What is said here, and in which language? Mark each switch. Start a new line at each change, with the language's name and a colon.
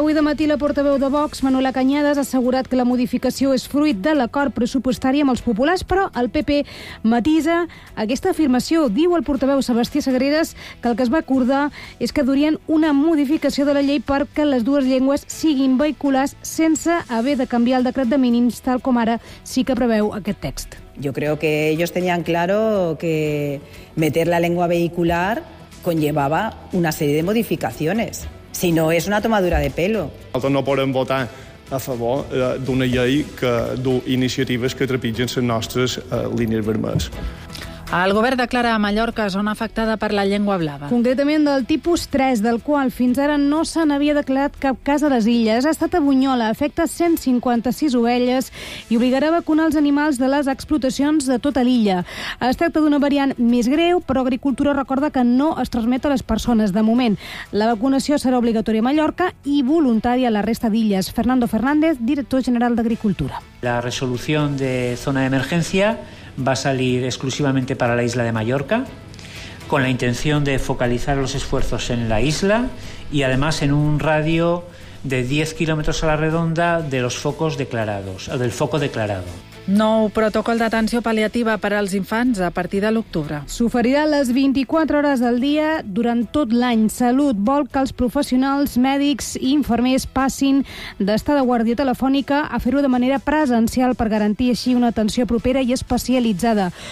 Catalan: Avui de matí la portaveu de Vox, Manuela Cañedas, ha assegurat que la modificació és fruit de l'acord pressupostari amb els populars, però el PP matisa aquesta afirmació. Diu el portaveu Sebastià Sagreras que el que es va acordar és que durien una modificació de la llei perquè les dues llengües siguin vehiculars sense haver de canviar el decret de mínims, tal com ara sí que preveu aquest text.
Spanish: Yo creo que ellos tenían claro que meter la lengua vehicular conllevaba una serie de modificaciones. Si no, es una tomadura de pelo. Nosotros no podemos votar a favor
Catalan: d'una llei que du iniciatives que trepitgen les nostres línies vermelles. El govern declara a Mallorca zona afectada per la llengua blava. Concretament del tipus 3, del qual fins ara no se n'havia declarat cap cas a les illes. Ha estat a Bunyola, afecta 156 ovelles i obligarà a vacunar els animals de les explotacions de tota l'illa. Es tracta d'una variant més greu, però Agricultura recorda que no es transmet a les persones. De moment, la vacunació serà obligatòria a Mallorca i voluntària a la resta d'illes. Fernando Fernández, director general d'Agricultura. La resolució de zona d'emergència
Spanish: va a salir exclusivamente para la isla de Mallorca, con la intención de focalizar los esfuerzos en la isla y además en un radio de 10 kilómetros a la redonda de los focos declarados, o del foco declarado.
Catalan: Nou protocol d'atenció paliativa per als infants a partir de l'octubre. S'oferirà les 24 hores del dia durant tot l'any. Salut vol que els professionals, mèdics i infermers passin d'estar de guàrdia telefònica a fer-ho de manera presencial per garantir així una atenció propera i especialitzada.